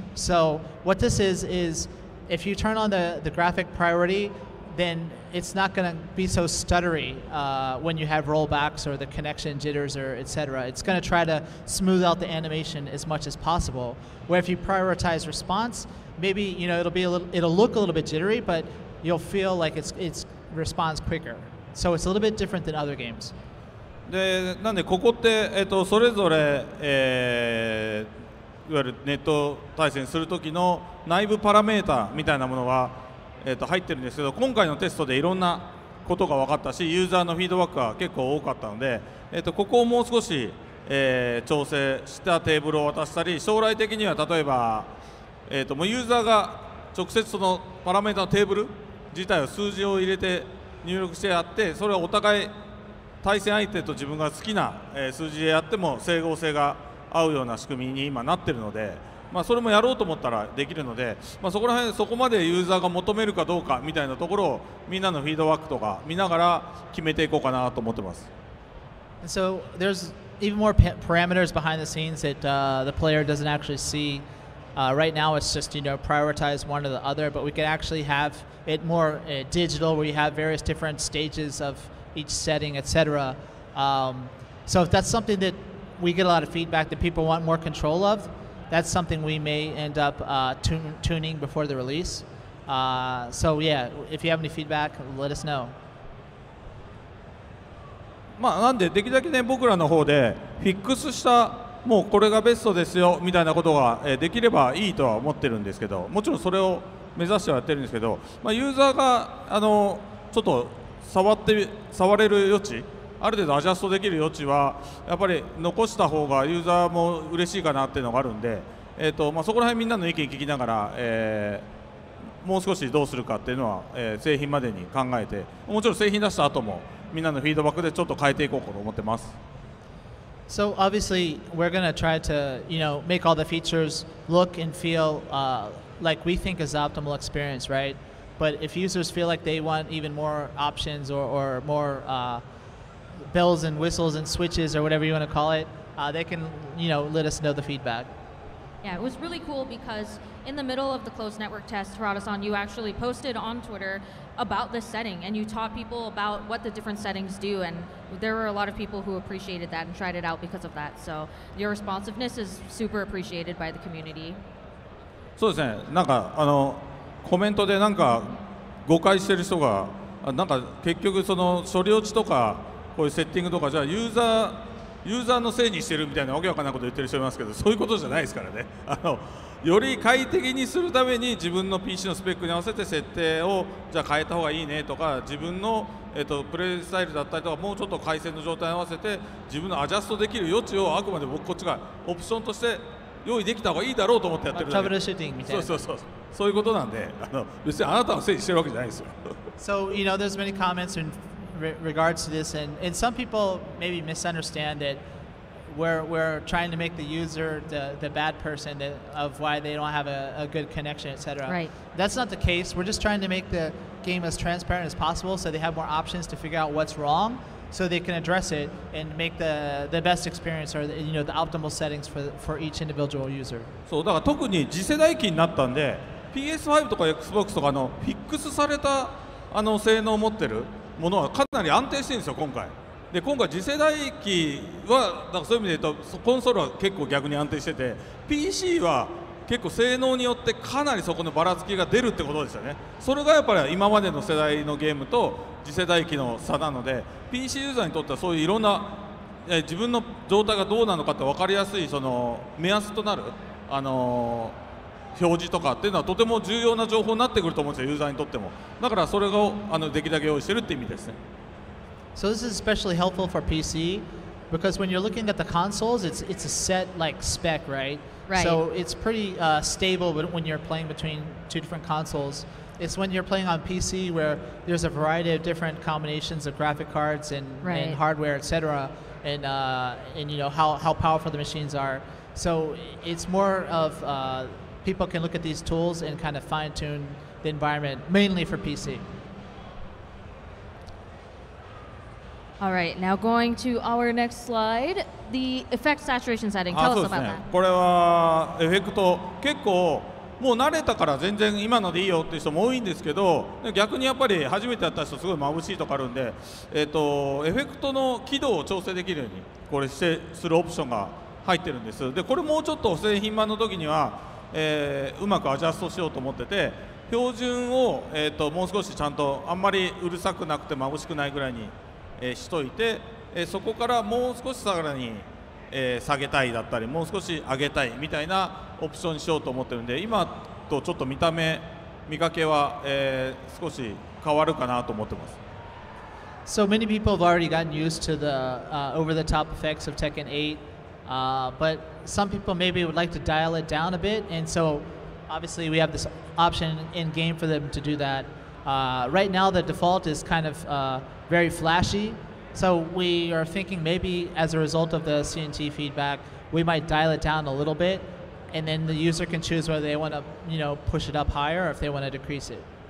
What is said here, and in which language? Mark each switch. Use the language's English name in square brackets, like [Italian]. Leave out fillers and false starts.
[English] So what this is if you turn on the graphic priority, then it's not going to be so stuttery when you have rollbacks or the connection jitters or et cetera. It's going to try to smooth out the animation as much as possible. Where if you prioritize response, maybe, you know, it'll look a little bit jittery, but you'll feel like it's responds quicker. So it's a little bit different than other games. [Japanese] で、なんでここって、それぞれ、いわゆるネット対戦する時の内部パラメーターみたいなものは、入ってるんですけど、今回のテストでいろんなことが分かったし、ユーザーのフィードバックが結構多かったので、ここをもう少し、調整したテーブルを渡したり、将来的には例えば、もうユーザーが直接そのパラメータのテーブル自体を数字を入れて入力してやって、それはお互い対戦相手と自分が好きな数字でやっても整合性が合うような仕組みに今なってるので、まあ、それもやろうと思ったらできるので、まあ、そこら辺そこまでユーザーが求めるかどうかみたいなところをみんなのフィードバックとか見ながら決めていこうかなと思ってます。 [English] So there's even more parameters behind the scenes that the player doesn't actually seeRight now it's just, you know, prioritize one or the other, but we could actually have it more digital where you have various different stages of each setting, etc. So if that's something that we get a lot of feedback that people want more control of. That's something we may end up tuning before the release. If you have any feedback, let us know. [Japanese] まあ、なんでできるだけね、僕らの方でフィックスしたもうこれがベストですよみたいなことができればいいとは思ってるんですけど、もちろんそれを目指してはやってるんですけど、まあ、ユーザーがちょっと触れる余地、ある程度アジャストできる余地はやっぱり残した方がユーザーも嬉しいかなっていうのがあるんで、まあ、そこら辺みんなの意見聞きながら、もう少しどうするかっていうのは、製品までに考えて、もちろん製品出した後もみんなのフィードバックでちょっと変えていこうかと思ってます。 [English] So obviously we're gonna try to, you know, make all the features look and feel like we think is optimal experience, right? But if users feel like they want even more options or more bells and whistles and switches or whatever you want to call it, they can, you know, let us know the feedback. Yeah, it was really cool because in the middle of the closed network test, Harada-san, you actually posted on Twitter about this setting and you taught people about what the different settings do, and there were a lot of people who appreciated that and tried it out because of that. So your responsiveness is super appreciated by the community. [Japanese] そうですね。なんかコメントでなんか誤解してる人がなんか結局その処理落ちとかこういうセッティングとかじゃあユーザーのせいにしてるみたいなわけわかんないこと言ってる人いますけど、そういうことじゃないですからね。より快適にするために自分の PC のスペックに合わせて設定をじゃあ変えた方がいいねとか、自分のプレイスタイルだったりとか、もうちょっと回線の状態に合わせて自分のアジャストできる余地をあくまで僕こっちがオプションとして用意できた方がいいだろうと思ってやってるんで、トラブルシューティングみたいな、そういうことなんで、別にあなたのせいにしてるわけじゃないですよ。 [English] So, you know, there's many comments in regards to this, and some people maybe misunderstand that we're trying to make the user the bad person of why they don't have a good connection, etc. Right. That's not the case. We're just trying to make the game as transparent as possible so they have more options to figure out what's wrong, so they can address it and make the best experience or the, you know, the optimal settings for each individual user. [Japanese] そう、だから特に次世代機になったんで、 PS5 とか Xbox とかのフィックスされた性能を持ってるものはかなり安定してるんですよ、今回。で、今回次世代機はだからそういう意味で言うとコンソールは結構逆に安定してて、 PC は結構性能によってかなりそこのばらつきが出るってことですよね。それがやっぱり今までの世代のゲームと次世代機の差なので、 PC ユーザーにとってはそういういろんな自分の状態がどうなのかって分かりやすいその目安となる表示とかっていうのはとても重要な情報になってくると思うんですよ、ユーザーにとっても。だからそれをできるだけ用意してるって意味ですね。 [English] So this is especially helpful for PC because when you're looking at the consoles, it's a set like spec, right? Right. So it's pretty stable when you're playing between two different consoles. It's when you're playing on PC where there's a variety of different combinations of graphic cards and, right. and hardware, etc. And you know how powerful the machines are. So it's more of people can look at these tools and kind of fine tune the environment, mainly for PC. All right, now going to our next slide. The effect saturation setting. Tell us about that. [Japanese] これはエフェクト結構もう慣れたから全然今のでいいよっていう人も多いんですけど、逆にやっぱり初めてやった人すごい眩しいとかあるんで、エフェクトの輝度を調整できるようにこれしてするオプションが入ってるんです。で、これもうちょっと製品版の時には、うまくアジャストしようと思ってて、標準をもう少しちゃんとあんまりうるさくなくて眩しくないぐらいに、しといて。そこからもう少しさらに下げたいだったり、もう少し上げたいみたいなオプションにしようと思ってるんで、今とちょっと見た目、見かけは少し変わるかなと思ってます。 [English] So many people have already gotten used to the over-the-top effects of Tekken 8, but some people maybe would like to dial it down a bit, and so obviously we have this option in-game for them to do that. Right now the default is kind of very flashy,So we are thinking maybe as a result of the CNT feedback, we might dial it down a little bit, and then the user can choose whether they want to, you know, push it up higher or if they want to decrease it.